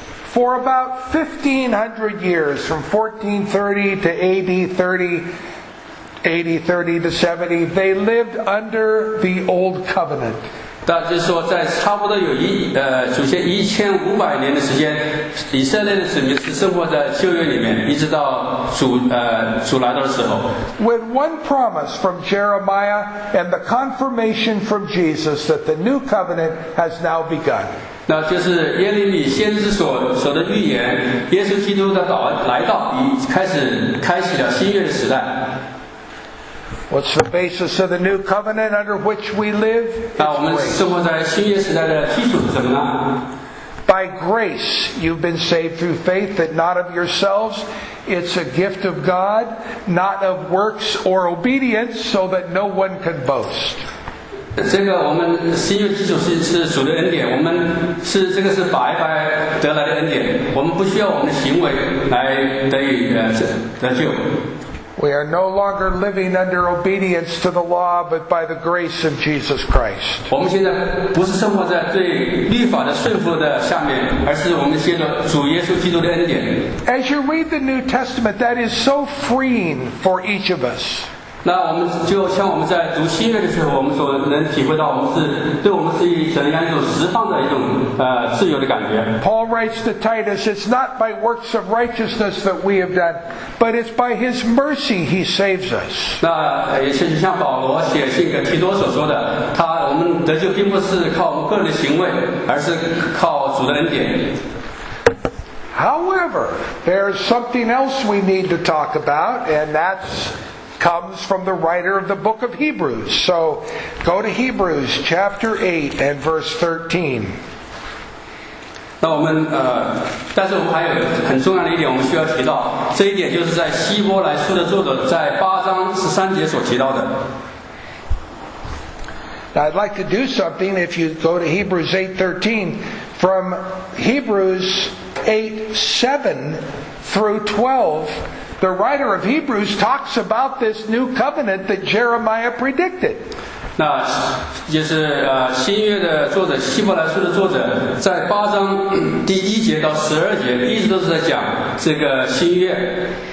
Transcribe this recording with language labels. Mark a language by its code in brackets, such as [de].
[en] For about 1500 years, from 1430 to AD 30 to 70, they lived under the old covenant. [zh] 那就是说，在差不多有祖先1500年的时间，以色列的子民是生活在旧约里面，一直到主来的时候。 [en] With one promise from Jeremiah and the confirmation from Jesus that the new covenant has now begun. [zh] 那就是耶利米先知所的预言，耶稣基督的来到，已开始开启了新约的时代。 [en] What's the basis of the new covenant under which we live? [zh] 那我们生活在新约时代的基础是什么呢？ [en] By grace you've been saved through faith, that not of yourselves, it's a gift of God, not of works or obedience, so that no one can boast. [zh] 这个我们新约基础 是主的恩典，我们是这个是白白得来的恩典，我们不需要我们的行为来得以得救。 [en] We are no longer living under obedience to the law, but by the grace of Jesus Christ. [zh] 我们现在不是生活在对律法的顺服的下面，而是我们现在主耶稣基督的恩典。 [en] As you read the New Testament, that is so freeing for each of us. [zh] 那我们就像我们在读新约的时候，我们所能体会到，我们是对我们是一种一种释放的一种自由的感觉。 [en] Paul writes to Titus, "It's not by works of righteousness that we have done, but it's by His mercy He saves us." [zh] 那也是像保罗写信给提多所说的，他我们得救并不是靠我们个人的行为，而是靠主的恩典。 [en] However, there's something else we need to talk about, and that's comes from the writer of the book of Hebrews. So go to Hebrews chapter 8 and verse 13. [zh] 那我们但是我们还有很重要的一点我们需要提到，这一点就是在希伯来书的作者在八章十三节所提到的。 [en] Now I'd like to do something if you go to Hebrews 8:13 from Hebrews 8:7 through 12. The writer of Hebrews talks about this new covenant that Jeremiah predicted. [zh] 那就是新约的作者希伯来书的作者在八章第一节到十二节一直都是在讲这个新约。